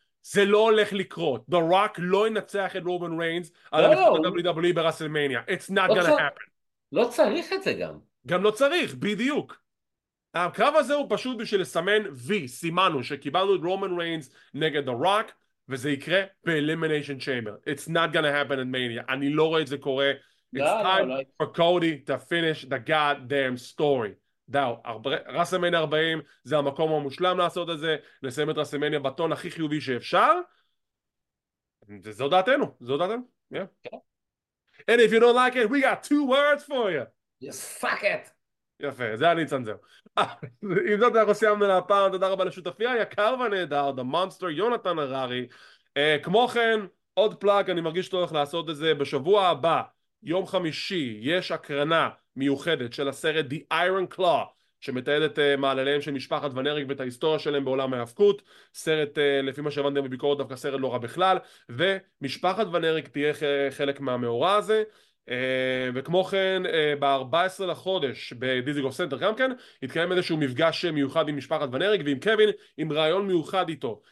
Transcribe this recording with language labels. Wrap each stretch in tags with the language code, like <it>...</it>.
<he>זה לא הולך לקרות. The Rock לא ינצח את רובן ריינס על המשחק WWE ברסלמניה.</he> <en>It's not gonna happen.</en> <he>לא צריך את זה גם. גם לא צריך, בדיוק. הקרב הזה הוא פשוט בשביל לסמן V, סימנו, שקיבלנו את רומן ריינס נגד The Rock, וזה יקרה ב-Elimination Chamber.</he> <en>It's not gonna happen in Mania.</en> <he>אני לא רואה את זה קורה.</he> <en>It's time for Cody to finish the goddamn story.</en> <he>דאו, רסלמניה 40 זה המקום המושלם לעשות את זה, לסיים את רסלמניה בטון הכי חיובי שאפשר. זו דעתנו, זו דעתנו.</he> <en>And if you don't like it, we got two words for you. Yes, fuck it.</en> <he>יפה, זה אני צנזר. עם זאת אנחנו סיימנו להפעם, תודה רבה לשותפי היקר ונהדר, The Monster, יונתן הררי. כמו כן, עוד פלאג, אני מרגיש שתורך לעשות את זה, בשבוע הבא, יום חמישי, יש הקרנה מיוחדת של הסרט The Iron Claw, שמתעד את מעלליהם של משפחת ונריק ואת ההיסטוריה שלהם בעולם ההפקות, סרט, לפי מה שהבנתם בביקורת, דווקא סרט לא רע בכלל, ומשפחת ונריק תהיה חלק מהמאורע הזה, וכמו כן, ב-14 לחודש בדיזיגוף סנטר גם כן התקיים איזשהו מפגש מיוחד עם משפחת ונריק ועם קווין, עם רעיון מיוחד איתו.</he>